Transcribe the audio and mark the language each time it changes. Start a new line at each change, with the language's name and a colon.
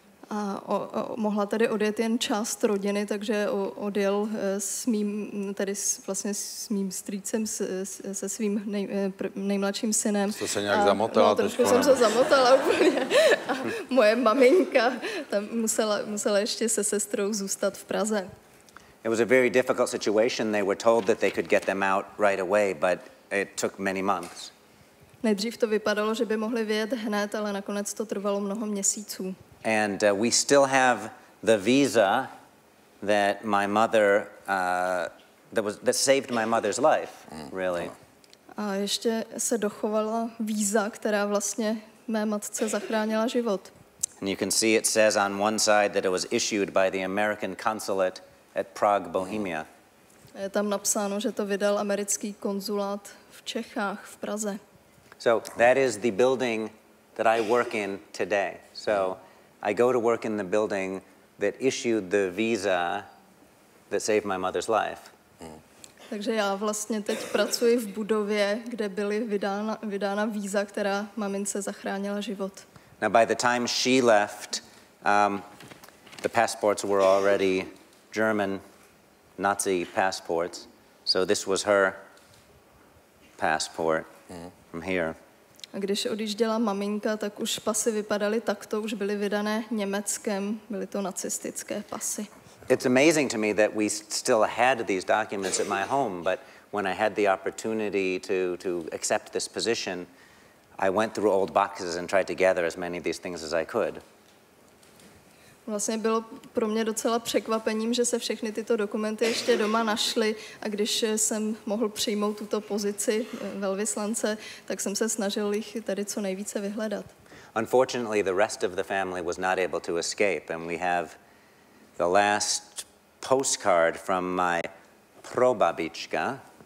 Czech: a mohla tady odjet jen část rodiny, takže odjel s mým, tedy vlastně s mým strýcem, se svým nejmladším synem. To se nějak zamotala? No, trošku jsem se zamotala úplně. A moje maminka tam musela ještě se sestrou zůstat v Praze.
English: It was a very difficult situation. They were told that they could get them out right away, but it took many months.
Czech: Nejdřív to vypadalo, že by mohli vyjet hned, ale nakonec to trvalo mnoho měsíců.
English: And we still have the visa that my mother that saved my mother's life, really.
Czech: A ještě se dochovala víza, která vlastně mé matce zachránila život.
English: And you can see it says on one side that it was issued by the American consulate at Prague, Bohemia.
Czech: Je tam napsáno, že to vydal americký konzulát v Čechách, v Praze.
English: So that is the building that I work in today. So I go to work in the building that issued the visa that saved my mother's life.
Czech: Takže já vlastně teď pracuji v budově, kde byly vydána víza, která mamince zachránila život.
English: Now by the time she left, the passports were already German Nazi passports. So this was her passport from here.
Czech: A když odjížděla maminka, tak už pasy vypadaly takto, už byly vydané Německem, byly to nacistické pasy.
English: It's amazing to me that we still had these documents at my home, but when I had the opportunity to accept this position, I went through old boxes and tried to gather as many of these things as I could.
Czech: Vlastně bylo pro mě docela překvapením, že se všechny tyto dokumenty ještě doma našly, a když jsem mohl přijmout tuto pozici velvyslance, tak jsem se snažil jich tady co nejvíce vyhledat.
English: Unfortunately, the rest of the family was not able to escape, and we have the last postcard from my probabička.